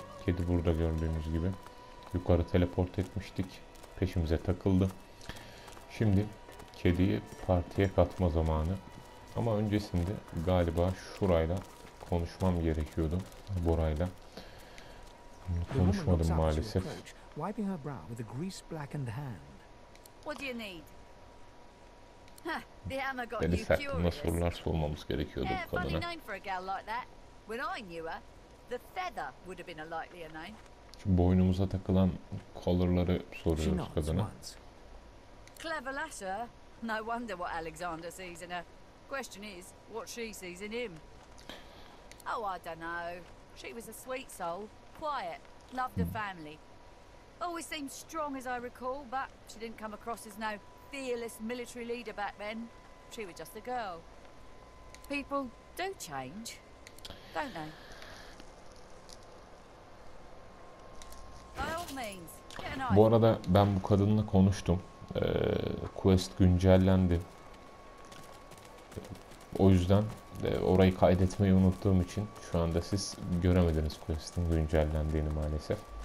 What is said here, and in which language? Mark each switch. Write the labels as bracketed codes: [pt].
[tr] Kedi burada gördüğünüz gibi. Yukarı teleport etmiştik. Peşimize takıldı. Şimdi kediyi partiye katma zamanı. Ama öncesinde galiba şurayla konuşmam gerekiyordu Bora'yla. Konuşmadım maalesef. [en] Wiping her brow with a grease-blackened hand. What do you need? The hammer got you curious. [tr] Ona sorular sormamız gerekiyordu bu kadına. [en] Funny name for a gal like that. When I knew her, the feather would have been a likelier name. [tr] Şu boynumuza takılan collar'ları soruyoruz kadına. [en] Clever lass, no wonder what Alexander sees in her. Question is, what she sees in him. Oh, I don't know. She was a sweet soul, quiet, loved her family. Always seemed strong as I recall, but she didn't come across as no fearless military leader back then. She was just a girl. People do change, don't they? By all means, get an eye. [tr] Bu arada ben bu kadınla konuştum. Quest güncellendi. O yüzden orayı kaydetmeyi unuttuğum için şu anda siz göremediniz quest'in güncellendiğini maalesef.